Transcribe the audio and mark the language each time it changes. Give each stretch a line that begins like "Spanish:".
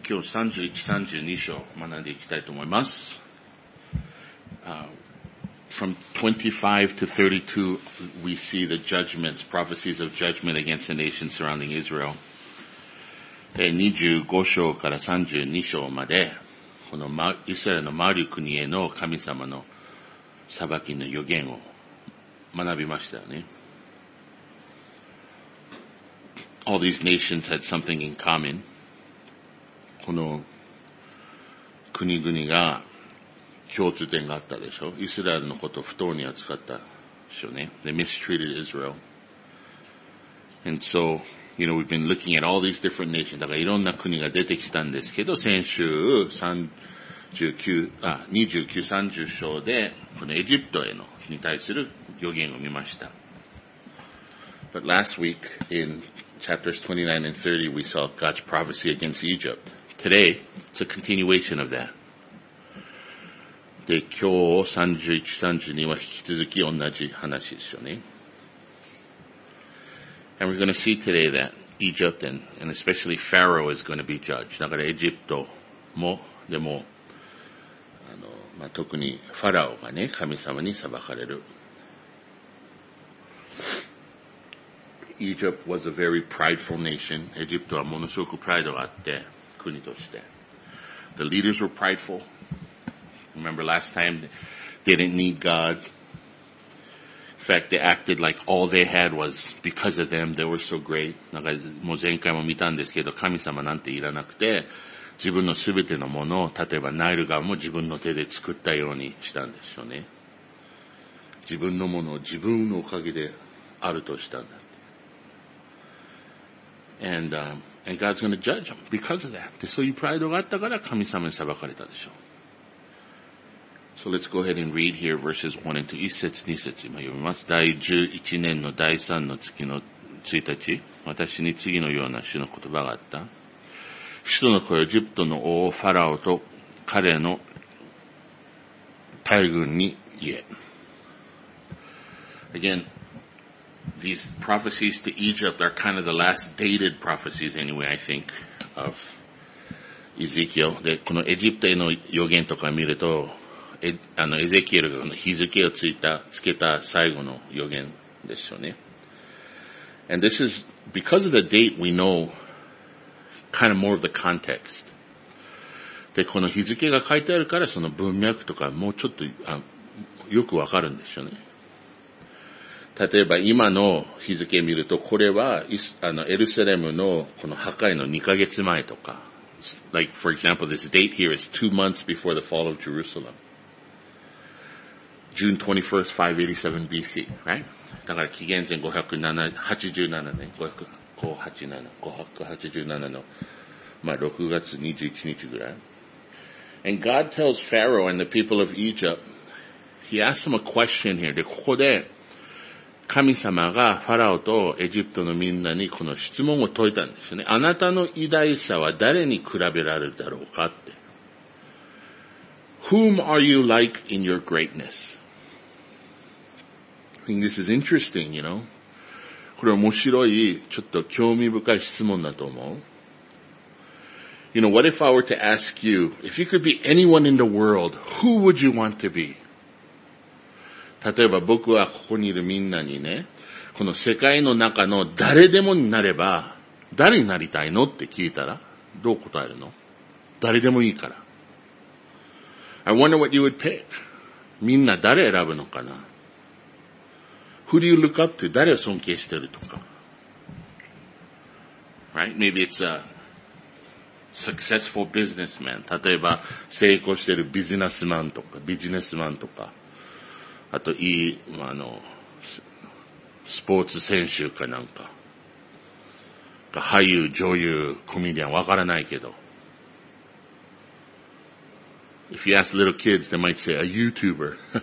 Japanese: 今日31、32章を学んでいきたいと思います。
English: From 25 to 32, we see the judgments, prophecies of judgment against the nation surrounding Israel.
Japanese: 25章から32章まで、このイスラエルの周り国への神様の裁きの予言を学びましたよね。
English: All these nations had something in common.
Japanese: この国々が共通点があったでしょ。イスラエルのことを不当に扱ったでしょうね。
English: They mistreated Israel. And so, you know, we've been looking at all these different nations.
Japanese: だからいろんな国が出てきたんですけど、先週29、30章で、このエジプトへの、に対する予言を見ました。
English: But last week in chapters 29 and 30, we saw God's prophecy against Egypt. Today, it's a continuation of that.
Japanese: で、今日31、32は引き続き同じ話ですよね。
English: And we're going to see today that Egypt and especially Pharaoh is going to be judged.
Japanese: だからエジプトも、でも、特にファラオがね、神様に裁かれる。
English: Egypt was a very prideful nation.
Japanese: エジプトはものすごくプライドがあって、国として。
English: The leaders were prideful. Remember last time, they didn't need God. In fact, they acted like all they had was because of them. They were so great.
Japanese: なんかもう前回も見たんですけど、神様なんていらなくて、自分のすべてのものを、例えばナイル川も自分の手で作ったようにしたんですよね。自分のものを自分のおかげであるとしたんだ。
English: And God's going to judge them because of that.
Japanese: で、そういうプライドがあったから神様に裁かれたでしょう。
English: So let's go ahead and read here verses 1 and 2.
Japanese: 一節二節今読みます。第11年の第3の月の1日、私に次のような主の言葉があった。主の声、エジプトの王ファラオと彼の大軍に言え。
English: Again,These prophecies to Egypt are kind of the last dated prophecies anyway, I think, of Ezekiel.
Japanese: で、このエジプトへの予言とか見ると、エゼキエルがこの日付をつけた最後の予言ですよね。
English: And this is, because of the date, we know kind of more of the context.
Japanese: で、この日付が書いてあるから、その文脈とかもうちょっとよくわかるんですよね。例えば今の日付を見ると、これはエルサレムのこの破壊の2ヶ月前とか。
English: Like, for example, this date here is 2 months before the fall of Jerusalem. June 21st, 587 BC, right?
Japanese: だから紀元前587年の、まあ、6月21日ぐらい。
English: And God tells Pharaoh and the people of Egypt, he asks them a question here.
Japanese: で、ここで、神様がファラオとエジプトのみんなにこの質問を問いたんですよね。あなたの偉大さは誰に比べられるだろうかって。
English: Whom are you like in your greatness? I think this is interesting, you know.
Japanese: これ面白い、ちょっと興味深い質問だと思う。
English: You know, what if I were to ask you, if you could be anyone in the world, who would you want to be?
Japanese: 例えば僕はここにいるみんなにね、この世界の中の誰でもになれば、誰になりたいのって聞いたら、どう答えるの？誰でもいいから。
English: I wonder what you would pick.
Japanese: みんな誰選ぶのかな？
English: Who do you look up to?
Japanese: 誰を尊敬してるとか。
English: Right? Maybe it's a successful businessman.
Japanese: 例えば成功してるビジネスマンとか、ビジネスマンとか。あといい、まあ、スポーツ選手かなんか。俳優、女優、コメディアン、わからないけど。
English: If you ask little kids, they might say a YouTuber.